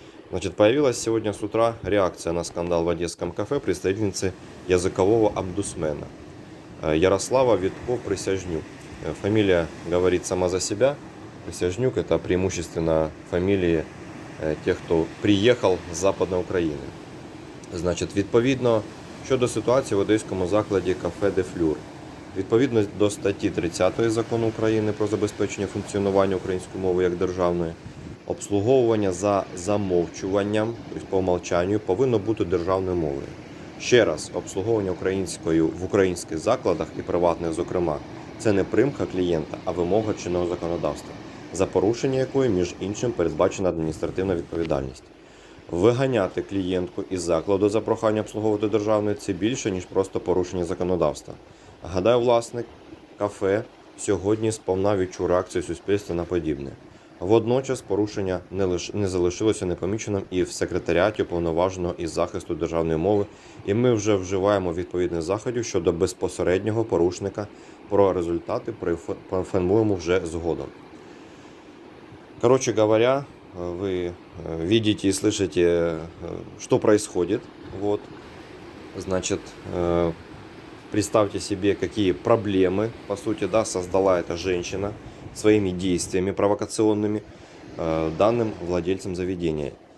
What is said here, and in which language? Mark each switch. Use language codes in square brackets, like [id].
[ru] Значит, появилась сегодня с утра реакция на скандал в одесском кафе представительницы языкового омбудсмена Ярослава Витко-Присяжнюк. Фамилия говорит сама за себя. Присяжнюк – это преимущественно фамилии тех, кто приехал с Западной Украины. [uk] Значит, відповідно щодо ситуації в одеському закладі кафе «Де Флюр», відповідно до статті 30 закону України про забезпечення функціонування української мови як державної, обслуговування за замовчуванням, тобто по умовчанню, повинно бути державною мовою. Ще раз, обслуговування українською в українських закладах і приватних, зокрема, це не примха клієнта, а вимога чинного законодавства, за порушення якої, між іншим, передбачена адміністративна відповідальність. Виганяти клієнтку із закладу за прохання обслуговувати державною – це більше, ніж просто порушення законодавства. Гадаю, власник кафе сьогодні сповна відчув реакцію суспільства на подібне. Водночас порушення не залишилося непоміченим і в секретаріаті уповноваженого із захисту державної мови, і ми вже вживаємо відповідних заходів щодо безпосереднього порушника. Про результати проінформуємо вже згодом. [ru] Короче говоря, вы видите и слышите, что происходит. Вот. Значит, представьте себе, какие проблемы, по сути, да, создала эта женщина своими действиями провокационными данным владельцам заведения.